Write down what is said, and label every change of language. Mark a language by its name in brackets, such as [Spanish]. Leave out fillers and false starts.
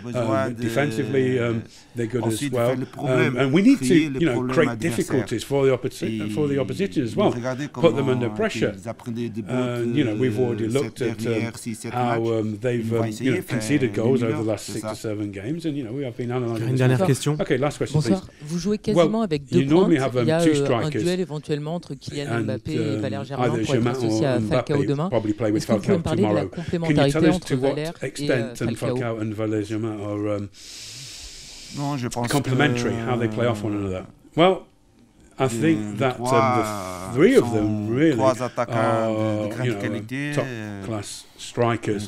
[English] Defensively, they're good as well. And we need to, you know, create difficulties for the opposition as well. Put them under pressure. You know, we've already looked at how they've you know, conceded goals over the last 6 or 7 games. And, you know, we have been analysing this. Question. Okay, last question, [French] bonsoir. [English] Please. [French] Vous jouez quasiment avec deux pointes. [English] You normally have two strikers. [French] Il y a un duel éventuellement entre Kylian Mbappé et Valère Germain pour être associé à Falcao demain. [English] Play with Falcao tomorrow. Can you tell us to what extent Falcao and Valère Germain are complementary, how they play off one another? Well, I think that the three of them really are, you know, top class strikers.